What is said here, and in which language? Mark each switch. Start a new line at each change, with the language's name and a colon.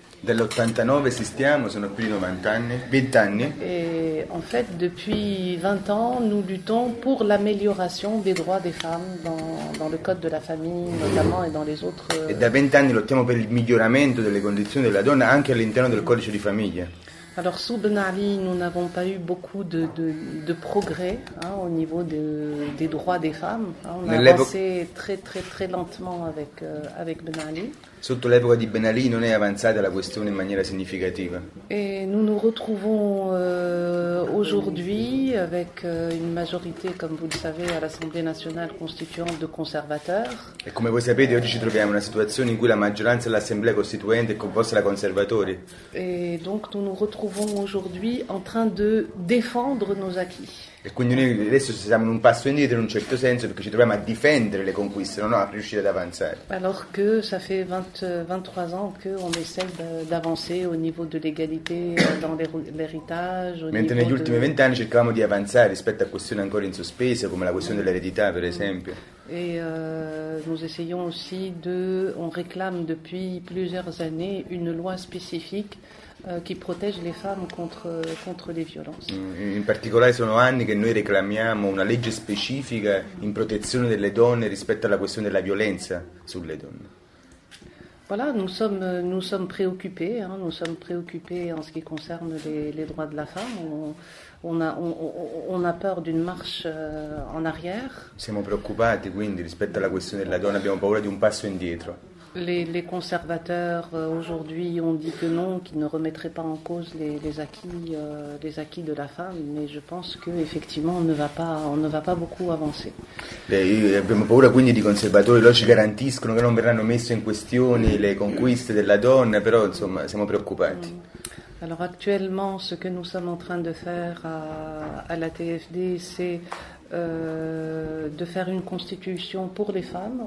Italian: Dell'89 esistiamo, sono più di 90 anni, 20 anni.
French: E en fait, depuis 20 ans, nous luttons pour l'amélioration des droits des femmes dans le code de la famille, notamment, et dans les autres.
Italian: E da 20 anni lottiamo per il miglioramento delle condizioni della donna anche all'interno del codice di famiglia.
French: Alors sous Ben Ali, nous n'avons pas eu beaucoup de progrès au niveau des droits des femmes. On a avancé très très très lentement avec Ben Ali.
Italian: Sotto l'epoca di Ben Ali non è avanzata la questione in maniera significativa.
French: Et nous nous retrouvons aujourd'hui avec une majorité, comme vous le savez, à l'Assemblée nationale constituante de conservateurs.
Italian: E come voi sapete, oggi ci troviamo in una situazione in cui la maggioranza dell'Assemblea costituente è composta da conservatori.
French: Et donc nous nous retrouvons aujourd'hui en train de défendre nos acquis.
Italian: E quindi noi adesso siamo in un passo indietro in un certo senso, perché ci troviamo a difendere le conquiste, non a riuscire ad avanzare.
French: Alors que ça fait 23 ans que on essaie d'avancer au niveau de l'égalité dans l'héritage.
Italian: Mentre negli ultimi 20 anni cercavamo di avanzare rispetto a questioni ancora in sospese, come la questione dell'eredità, per esempio.
French: Et nous essayons aussi de, on réclame depuis plusieurs années une loi spécifique qui protège les femmes contre les violences.
Italian: In particolare sono anni che noi reclamiamo una legge specifica in protezione delle donne rispetto alla questione della violenza sulle donne.
French: Voilà, nous sommes préoccupés, hein, nous sommes préoccupés en ce qui concerne les droits de la femme. On a peur d'une marche en arrière.
Italian: Siamo preoccupati quindi rispetto alla questione della donna, abbiamo paura di un passo indietro.
French: Les conservateurs aujourd'hui ont dit que non, qu'ils ne remettraient pas en cause les acquis de la femme, mais je pense que effectivement on ne va pas beaucoup avancer.
Italian: Abbiamo paura quindi di conservatori, loro ci garantiscono che non verranno messe in questione le conquiste della donna, però insomma siamo preoccupati.
French: Alors actuellement, ce que nous sommes en train de faire à la TFD, c'est de faire une constitution pour les femmes.